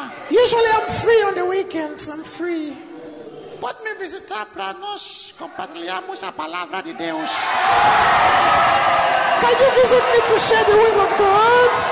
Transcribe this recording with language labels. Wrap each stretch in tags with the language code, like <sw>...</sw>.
<en>Usually I'm free on the weekends. I'm free.</en> <pt>Pode me visitar para nós compartilharmos a palavra de Deus.</pt> <en>Can you visit me to share the word of God?</en>